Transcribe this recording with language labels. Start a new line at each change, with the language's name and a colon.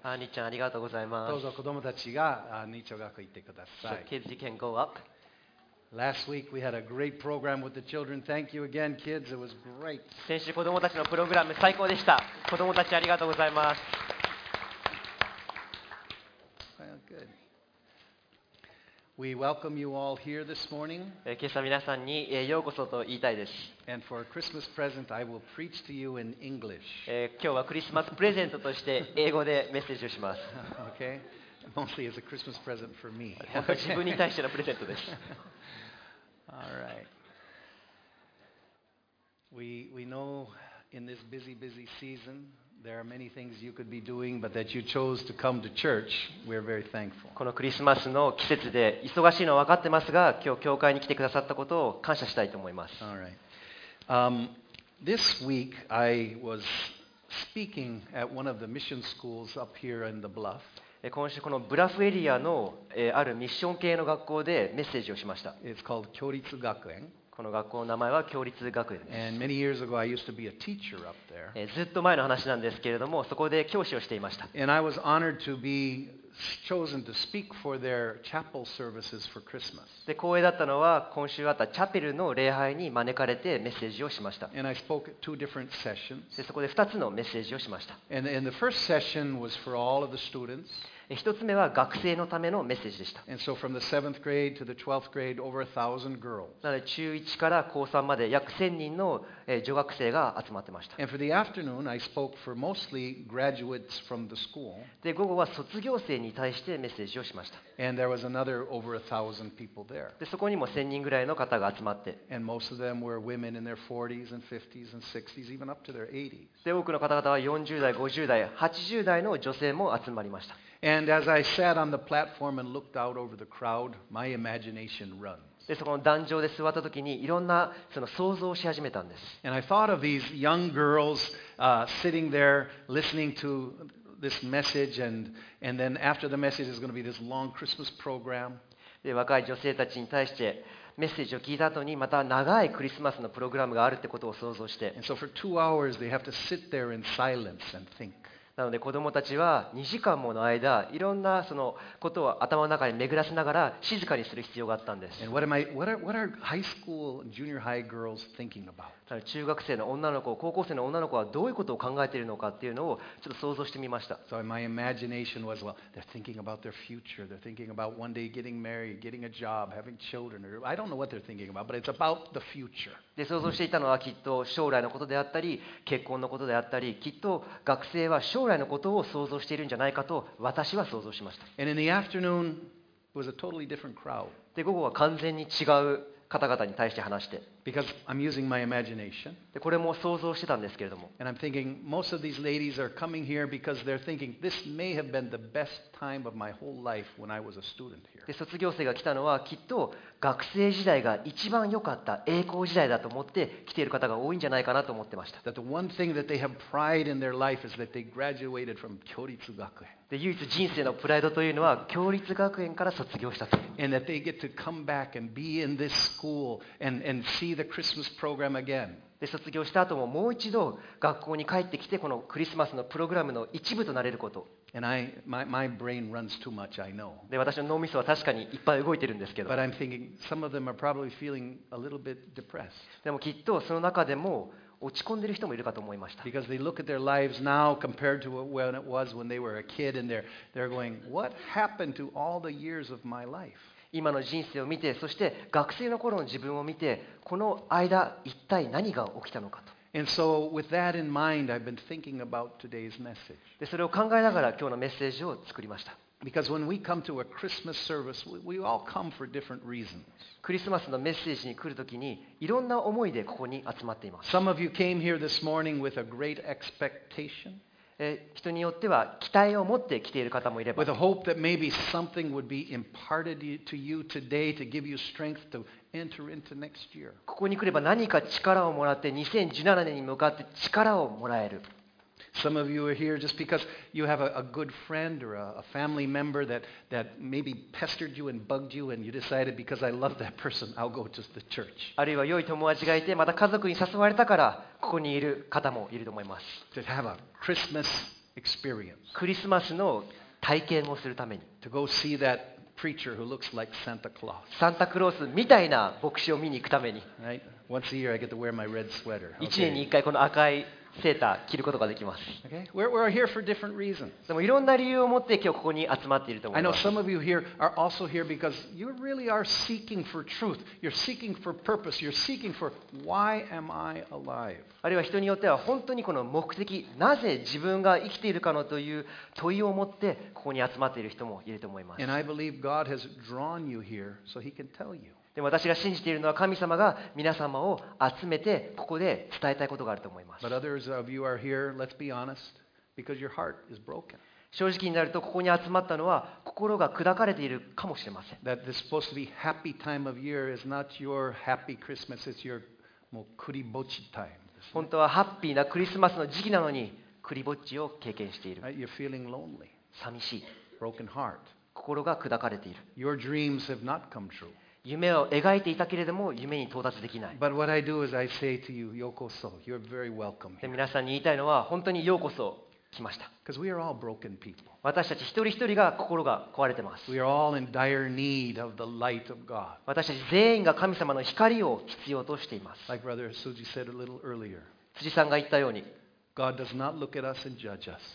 Japanese: 兄ちゃん、ありがとうございます。どうぞ子供たちが日曜学校行ってください。
English: So kids, you can go up. Last week we had a great program with the children. Thank you again, kids. It was great.
Japanese: 先週子供たちのプログラム最高でした。子供たちありがとうございます。
English: Well, good. We welcome you all here this morning.
Japanese: 今朝皆さんにようこそと言いたいです。
English: And for a Christmas present, I will preach to you in English.
Japanese: 今日はクリスマスプレゼントとして英語でメッセージをします。
English: Okay. Mostly as a Christmas present for me.
Japanese: 自分に対してのプレゼントです。
English: All right. We know in this busy season There are many things you could be doing, but that you chose to come to church, we are very thankful.
Japanese: このクリスマスの季節で忙しいのは分かってますが、今日教会に来てくださったことを感謝したいと思います。
English: All right. This week I was speaking at one of the mission schools up here in the Bluff.
Japanese: 今週このブラフエリアのあるミッション系の学校でメッセージをしました。
English: It's called 共立学園。
Japanese: この学校の名前は共立学園です。
English: And many years ago, I used to be a teacher up there.
Japanese: ずっと前の話なんですけれども、そこで教師をしていました。
English: And I was honored to be chosen to speak for their chapel services for Christmas.
Japanese: で、光栄だったのは今週あったチャペルの礼拝に招かれてメッセージをしました。
English: And I spoke at two different sessions.
Japanese: で、そこで2つのメッセージをしました。
English: And the first session was for all of the students.
Japanese: 1つ目は学生のためのメッセージでした。
English: So、grade grade, over 1,000 girls.
Japanese: なので中1から高3まで約1000人の女学生が集まってました。で、午後は卒業生に対してメッセージをしました。
English: And there was another over 1,000 people there.
Japanese: で、そこにも1000人ぐらいの方が集まって。
English: And most of them were women in their 40s and 50s and 60s, even up to their 80s.
Japanese: で、多くの方々は40代、50代、80代の女性も集まりました。
English: And as I sat on the platform and looked out over the crowd, my imagination runs.
Japanese: でそこの壇上で座った時にいろんなその想像をし始めたんです。
English: And I thought of these young girls, sitting there listening to this message, and then after the message is going to be this long Christmas program.
Japanese: で若い女性たちに対してメッセージを聞いた後にまた長いクリスマスのプログラムがあるってことを想像して。
English: And so for 2 hours they have to sit there in silence and think.
Japanese: なので子どもたちは2時間もの間いろんなそのことを頭の中に巡らせながら静かにする必要があったんです。
English: And what are high school, junior high girls thinking about?
Japanese: 中学生の女の子、高校生の女の子はどういうことを考えているのかっていうのをちょっと想像してみました。
English: So my imagination was, well, they're thinking about their future. They're thinking about one day getting married, getting a job, having children. I don't know what they're thinking about, but it's about the future.
Japanese: で想像していたのはきっと将来のことであったり結婚のことであったりきっと学生は将来のことを想像しているんじゃないかと私は想像しました。で午後は完全に違う方々に対して話してでこれも想像してたんですけれども
English: and I'm thinking most of these ladies are coming here because they're thinking this may have been the best time of my whole life when I was a student here.
Japanese: で卒業生が来たのはきっと学生時代が一番良かった栄光時代だと思って来ている方が多いんじゃないかなと思ってました。
English: That the one thing that they have pride in their life is that they graduated from 共立学園。
Japanese: で唯一人生のプライドというのは共立学園から卒業したと。
English: And that they get to come back and be in this school and see the Christmas program again.
Japanese: で卒業した後ももう一度学校に帰ってきてこのクリスマスのプログラムの一部となれること。
English: And I, my brain runs too much, I know.
Japanese: で私の脳みそは確かにいっぱい動いてるんですけど。
English: But I'm thinking some of them are probably feeling a little bit depressed.
Japanese: でもきっとその中でも落ち込んでる人もいるかと思いました。
English: Because they look at their lives now compared to when it was when they were a kid and they're going, what happened to all the years of my life?
Japanese: 今の人生を見て、そして学生の頃の自分を見て、この間一体何が起きたのかと。
English: And so, with that in mind, I've been thinking about today's message.
Japanese: で、それを考えながら今日のメッセージを作りました。
English: Because when we come to a Christmas service, we all come for different reasons.
Japanese: クリスマスのメッセージに来るときに、いろんな思いでここに集まっています。
English: Some of you came here this morning with a great expectation.
Japanese: 人によっては期待を持って来ている方もいれば、
English: with the hope that maybe something would be imparted to you today to give you strength to enter into next year.
Japanese: ここに来れば何か力をもらって2017年に向かって力をもらえる。
English: Some of you are here just because you have a good friend or a family member that maybe pestered you and bugged you and you decided because I love that person I'll go to the church.
Japanese: あるいは良い友達がいてまた家族に誘われたからここにいる方もいると思います。
English: To have a Christmas experience.
Japanese: クリスマスの体験をするために。
English: To go see that preacher who looks like Santa Claus.
Japanese: サンタクロースみたいな牧師を見に行くために。
English: Right? Once a year I get to wear my red sweater.
Japanese: 一年に一回この赤いセーター着ることができます。
English: Okay. We're here for different reasons.
Japanese: でもいろんな理由を持って今日ここに集まっていると思います。
English: I know some of you here are also here because you really are seeking for truth. You're seeking for purpose. You're seeking for why am I alive?
Japanese: あるいは人によっては本当にこの目的、なぜ自分が生きているかのという問いを持ってここに集まっている人もいると思います。
English: And I believe God has drawn you here so He can tell you.
Japanese: でも私が信じているのは神様が皆様を集めてここで伝えたいことがあると思います。
English: But others of you are here, let's be honest. Because your heart is broken.
Japanese: 正直になるとここに集まったのは心が砕かれているかもしれません。
English: That this supposed to be happy time of year is not your happy Christmas, it's your
Japanese: もうクリボッチ
English: time.
Japanese: 本当はハッピーなクリスマスの時期なのにクリボッチを経験している。
English: You're feeling lonely.
Japanese: 寂しい。
English: Broken heart.
Japanese: 心が砕かれている。
English: Your dreams have not come true.
Japanese: 夢を描いていたけれども夢に到達できない。
English: But what I do is I say to you, ようこそ。 You're very welcome here.
Japanese: 皆さんに言いたいのは本当にようこそ来ました。
English: Because we are all broken people.
Japanese: 私たち一人一人が心が壊れてます。
English: We are all in dire need of the light of God.
Japanese: 私たち全員が神様の光を必要としています。
English: Like Brother Suji said a little earlier.
Japanese: 辻さんが言ったように。
English: God does not look at us and judge us.